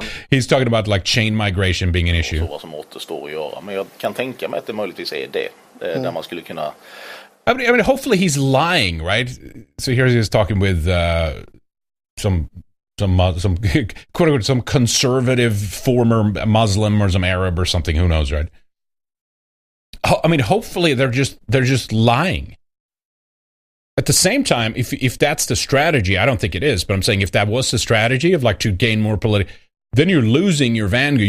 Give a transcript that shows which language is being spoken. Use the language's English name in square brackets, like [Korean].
[English] He's talking about like chain migration being an issue. [Swedish] Vad som återstår att göra. Men jag kan tänka mig att det möjligtvis är det. Där man skulle kunna... [English] I mean, hopefully he's lying, right? So here he's talking with some conservative former Muslim or some Arab or something. Who knows, right? Hopefully they're just lying. At the same time, if that's the strategy, I don't think it is, but I'm saying if that was the strategy of like to gain more political, then you're losing your vanguard.